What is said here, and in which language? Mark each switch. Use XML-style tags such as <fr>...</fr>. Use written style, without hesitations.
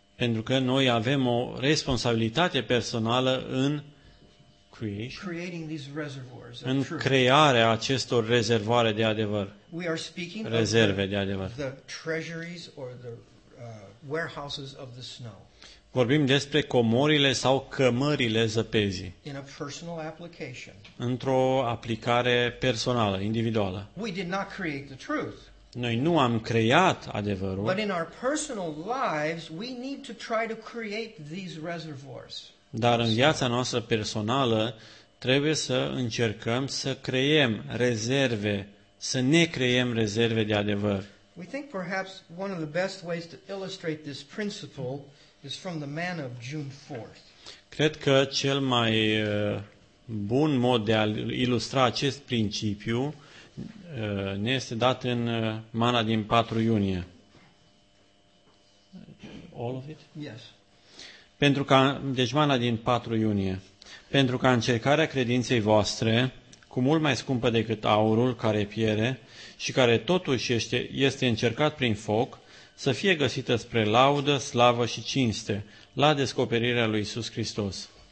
<ro>Pentru că noi avem o responsabilitate personală în</ro> <en>creating these reservoirs of</en> <ro>în crearea acestor rezervoare de adevăr.</ro> <en>We are speaking</en> <ro>rezerve</ro> <en>of</en> <ro>de adevăr.</ro> <en>The treasuries or the warehouses of the snow.</en> <ro>Vorbim despre comorile sau cămările zăpezii.</ro> <en>In a personal application.</en> <ro>Într-o aplicare personală, individuală.</ro> <en>We did not create the truth.</en> <ro>Noi nu am creat adevărul.</ro> <en>But in our personal lives, we need to try to create these reservoirs.</en> <ro>Dar în viața noastră personală trebuie să încercăm să creăm rezerve, să ne creăm rezerve de adevăr.</ro> <en>We think perhaps one of the best ways to illustrate this principle is from the manna of June 4th.</en> <ro>Cred că cel mai bun mod de a ilustra acest principiu ne este dat în manna din 4 iunie.</ro> <en>All of it? Yes.</en> <ro>Pentru că deci manna din 4 iunie, pentru că încercarea credinței voastre, cu mult mai scumpă decât aurul care piere și care totuși este încercat prin foc, să fie găsită spre laudă, slavă și cinste la descoperirea lui Iisus Hristos.</ro>